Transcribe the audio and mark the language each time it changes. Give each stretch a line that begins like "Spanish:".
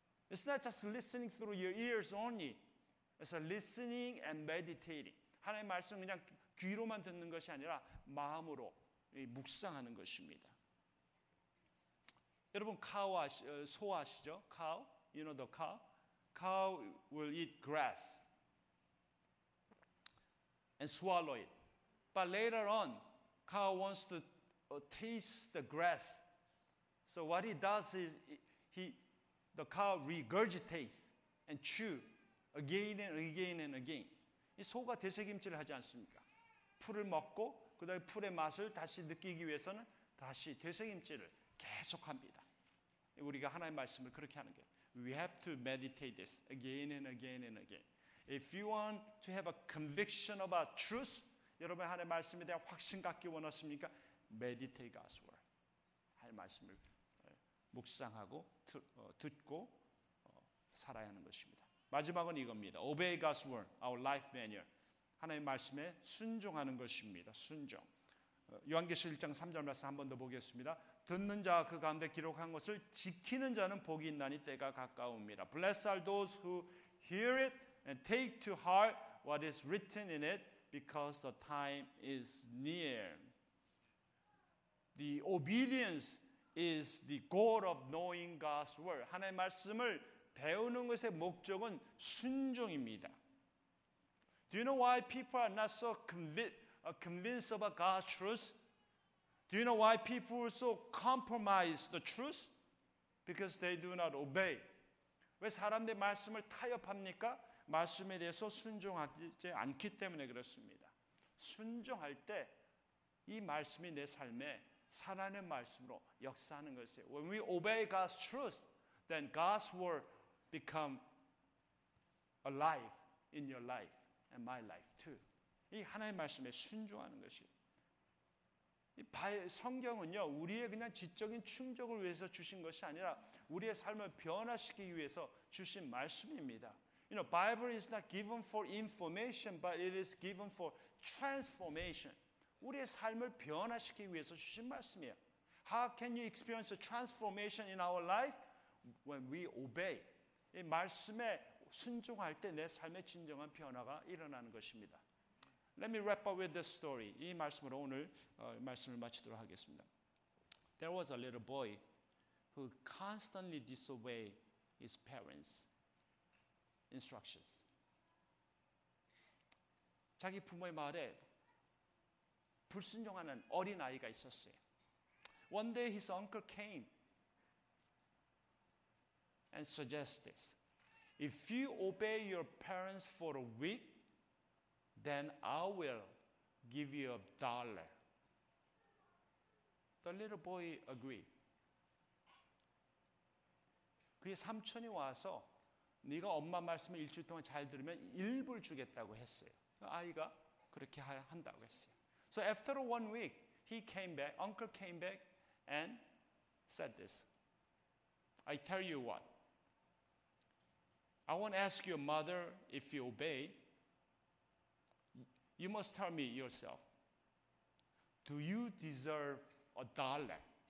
English: It's not just listening through your ears only. It's a listening and meditating.
Korean: 하나님의 말씀은 그냥 귀로만 듣는 것이 아니라 마음으로 묵상하는 것입니다. 여러분 cow 아시죠? 소 아시죠?
English: Cow, you know the cow. Cow will eat grass and swallow it. But later on, cow wants to taste the grass. So what he does is the cow regurgitates and chew again and again and again.
Korean: 이 소가 되새김질을 하지 않습니까? 풀을 먹고 그 다음에 풀의 맛을 다시 느끼기 위해서는 다시 되새김질을 계속합니다. 우리가 하나님의 말씀을 그렇게 하는 게
English: We have to meditate this again and again and again. If you want to have a conviction about truth,
Korean: 여러분 하나님의 말씀에 대한 확신 갖기 원하십니까?
English: Meditate God's word.
Korean: 하나님의 말씀을 묵상하고 듣고 살아야 하는 것입니다. 마지막은 이겁니다.
English: Obey God's word, our life manual.
Korean: 하나님의 말씀에 순종하는 것입니다. 순종. 요한계시록 1장 3절 말씀 한 번 더 보겠습니다. 듣는 자와 그 가운데 기록한 것을 지키는 자는 복이 있나니 때가 가까웁니다.
English: Blessed are those who hear it and take to heart what is written in it because the time is near. The obedience is the goal of knowing God's word.
Korean: 하나님의 말씀을 배우는 것의 목적은 순종입니다.
English: Do you know why people are not so convinced about God's truth? Do you know why people so compromise the truth? Because they do not obey.
Korean: 왜 사람들 말씀을 타협합니까? 말씀에 대해서 순종하지 않기 때문에 그렇습니다. 순종할 때 이 말씀이 내 삶에 살아낸 말씀으로 역사하는 것이에요.
English: When we obey God's truth, then God's word become alive in your life and my life too.
Korean: 이 하나님의 말씀에 순종하는 것이 성경은요 우리의 그냥 지적인 충족을 위해서 주신 것이 아니라 우리의 삶을 변화시키기 위해서 주신 말씀입니다.
English: You know, Bible is not given for information, but it is given for transformation.
Korean: 우리의 삶을 변화시키기 위해서 주신 말씀이에요.
English: How can you experience a transformation in our life when we obey?
Korean: 이 말씀에 순종할 때 내 삶의 진정한 변화가 일어나는 것입니다.
English: Let me wrap up with this story.
Korean: 이 말씀으로 오늘 말씀을 마치도록 하겠습니다.
English: There was a little boy who constantly disobeyed his parents' instructions.
Korean: 자기 부모의 말에 불순종하는 어린 아이가 있었어요.
English: One day his uncle came and suggested this. If you obey your parents for a week, then I will give you a dollar. The little boy agreed.
Korean: 그의 삼촌이 와서 네가 엄마 말씀을 일주일 동안 잘 들으면 1불 주겠다고 했어요. 그 아이가 그렇게 한다고 했어요.
English: So after one week, he came back, uncle came back and said this. I tell you what. I want to ask your mother if you obey. You must tell me yourself. Do you deserve a dollar?